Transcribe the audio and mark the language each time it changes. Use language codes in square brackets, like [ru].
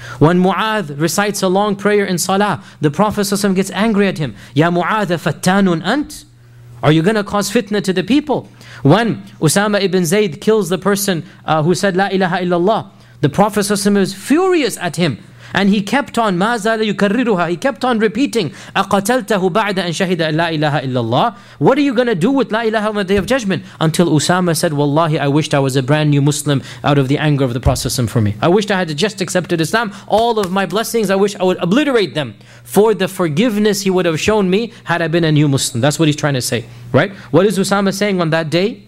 [en] When Mu'adh recites a long prayer in Salah, the Prophet ﷺ gets angry at him. Ya Mu'adh, [ar] fattanun ant? [en] Are you going to cause fitna to the people? When Usama ibn Zayd kills the person who said La ilaha illallah, the Prophet ﷺ is furious at him. And he kept on, [ar] ما زال يكرره, [en] he kept on repeating, [ar] أقتلته بعد أن شهد لا إله إلا الله. [en] What are you going to do with La Ilaha on the Day of Judgment? Until Usama said, Wallahi, I wished I was a brand new Muslim out of the anger of the Prophet for me. I wished I had just accepted Islam. All of my blessings, I wish I would obliterate them for the forgiveness he would have shown me had I been a new Muslim. That's what he's trying to say, right? What is Usama saying on that day?